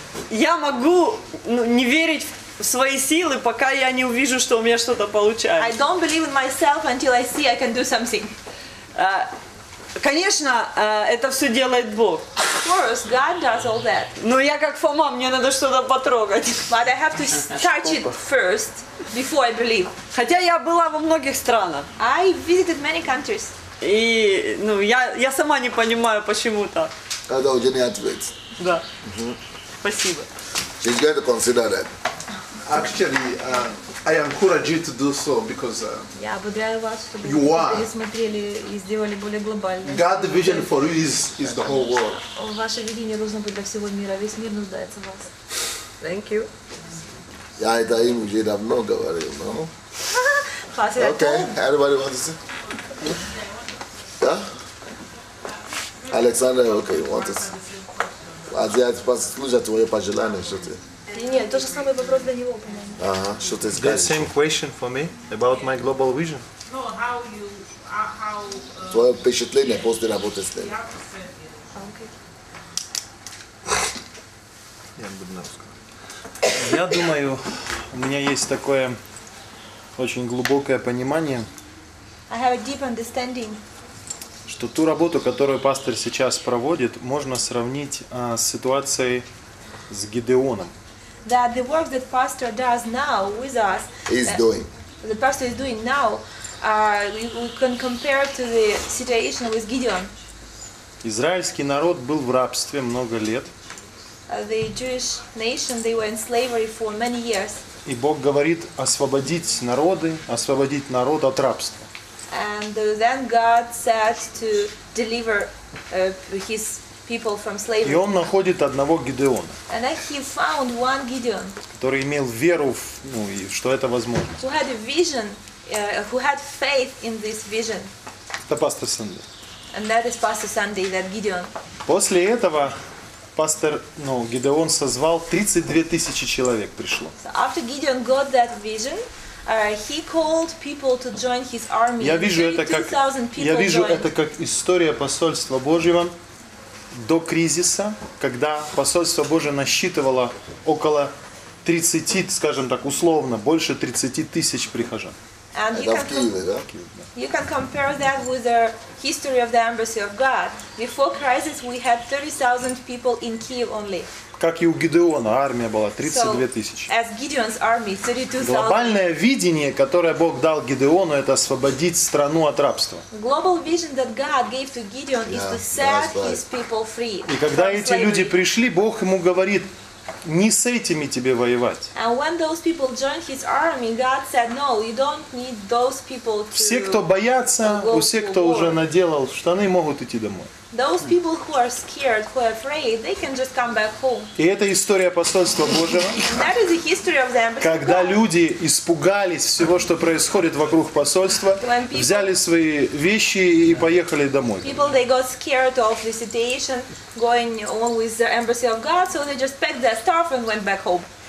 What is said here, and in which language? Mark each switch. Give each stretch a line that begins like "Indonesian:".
Russian: Я могу не верить в свои силы, пока я не увижу, что у меня что-то получается.
English: I don't believe in myself until I see I can do something.
Russian: Конечно, это все делает Бог.
English: Of course, God does all that.
Russian: Но я как Фома, мне надо что-то потрогать.
English: But I have to touch it first before I believe.
Russian: Хотя я была во многих странах.
English: I visited many countries.
Russian: И, ну, я сама не понимаю, почему так. Когда у тебя не ответ. Да. Mm-hmm. Спасибо.
English: She's going to consider that. Actually, I encourage you to do so because.
Russian: Я ободряю вас, чтобы вы пересмотрели и сделали более глобально.
English: God's vision for you is the whole world.
Russian: Ваше видение должно быть для всего мира. Весь мир нуждается в вас.
English: Thank you.
Russian: Я это им уже давно говорил, но.
English: classes. Okay, everybody wants to sit? Yeah?
Russian: Александр, окей, вот это. А я послушаю твое пожелание, что ты? Нет, тоже самый вопрос для него, по-моему. Ага, что ты скажешь?
English: The same question for me about my global vision. No, how you, how.
Russian: Твое впечатление после работы с ним. Я буду на русском. Я думаю, у меня есть такое очень глубокое понимание.
English: I have a deep understanding.
Russian: Что ту работу, которую пастор сейчас проводит, можно сравнить с ситуацией с Гидеоном.
English: That the work that pastor does now with us, is doing. The pastor is doing now, we can compare to the situation with Gideon.
Russian: Израильский народ был в рабстве много лет.
English: The Jewish nation, they were in slavery for many years.
Russian: И Бог говорит освободить народы, освободить народ от рабства.
English: And then God said to deliver his people from slavery.
Russian: И он находит одного Гидеона.
English: And then he found one Gideon.
Russian: Который имел веру, ну, и что это возможно.
English: Who had a vision, who had faith in this vision.
Russian: Это пастор Санди.
English: And that is Pastor Sunday, that Gideon.
Russian: После этого пастор, ну, Гидеон созвал 32 тысячи человек пришло.
English: So after Gideon got that vision, he called people to join his army.
Russian: Я вижу это как, это как история посольства Божьего до кризиса, когда посольство Божье насчитывало около 30, скажем так, условно, больше 30 тысяч прихожан.
English: And you can,
Russian: Киеве, да?
English: You can compare that with the history of the embassy of God. Before crisis we had 30,000 people in Kyiv only.
Russian: Как и у Гидеона, армия была 32 тысячи.
English: As Gideon's army, 32,000.
Russian: Глобальное видение, которое Бог дал Гидеону, это освободить страну от рабства.
English: Global vision that God gave to Gideon is to set his people free.
Russian: И когда эти люди пришли, Бог ему говорит: не с этими тебе воевать.
English: And when those people joined his army, God said, no, you don't need those people to.
Russian: Все, кто боятся, у всех, кто уже наделал штаны, могут идти домой.
English: Those people who are scared, who are afraid, they can just come back home.
Russian: И это история посольства Божьего.
English: That is the history of the embassy.
Russian: Когда люди испугались всего, что происходит вокруг посольства, взяли свои вещи и поехали домой.
English: People, they got scared of the situation going on with the embassy of God, so they just packed their stuff and went back home.